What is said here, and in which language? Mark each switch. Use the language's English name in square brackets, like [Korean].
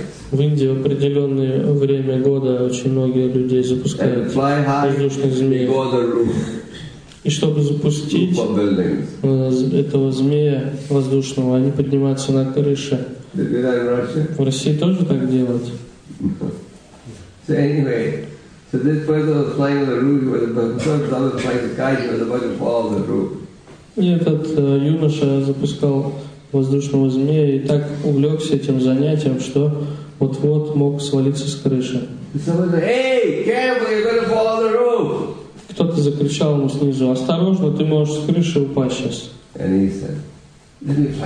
[Russian] В Индии в определенное время года очень многие людей запускают воздушных змей. И чтобы запустить этого змея воздушного, они поднимаются на крыши. В России тоже так делают? [English] So anyway, so this person was flying on the roof, but the person was flying the kite, he was about to fall on the roof. [Russian] И этот юноша запускал воздушного змея и так увлекся этим занятием, что вот-вот мог свалиться с крыши. Кто-то закричал ему снизу: «Осторожно, ты можешь с крыши упасть сейчас».